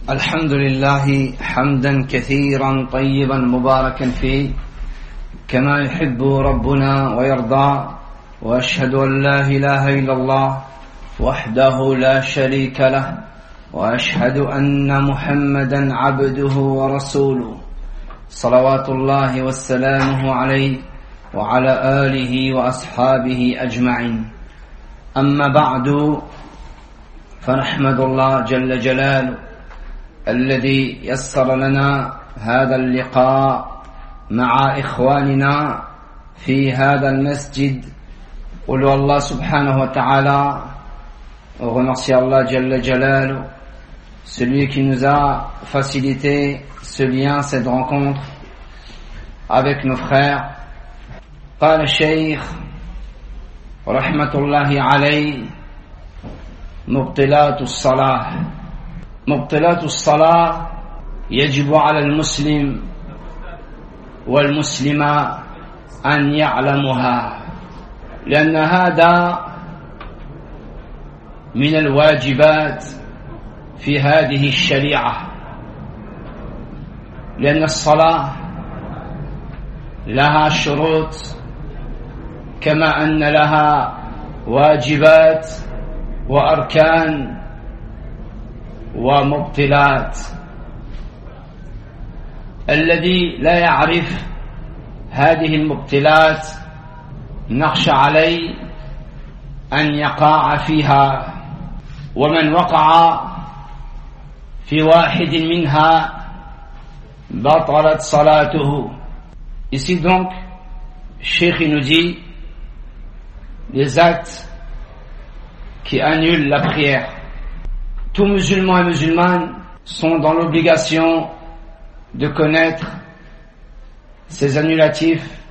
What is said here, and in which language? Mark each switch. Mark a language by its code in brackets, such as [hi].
[ar] الحمد لله حمدا كثيرا طيبا مباركا فيه كما يحب ربنا ويرضى، وأشهد أن لا إله إلا الله وحده لا شريك له، وأشهد أن محمدا عبده ورسوله، صلوات الله وسلامه عليه وعلى آله وأصحابه أجمعين. أما بعد، فنحمد الله جل جلاله الذي يسر لنا هذا اللقاء مع إخواننا في هذا المسجد. قل الله سبحانه وتعالى ونصي الله جل جلاله [fr] celui qui nous a facilité ce lien, cette rencontre avec nos frères. [ar] قال الشيخ رحمة الله عليه مبطلات الصلاة. مبطلات الصلاة يجب على المسلم والمسلمة أن يعلمها، لأن هذا من الواجبات في هذه الشريعة، لأن الصلاة لها شروط كما أن لها واجبات وأركان ومبطلات. الذي لا يعرف هذه المبطلات نخشى عليه أن يقع فيها، ومن وقع في واحد منها بطلت صلاته. [fr] Ici donc, Cheikh nous dit les actes qui annulent la prière. Tout musulman et musulmane sont dans l'obligation de connaître ces annulatifs.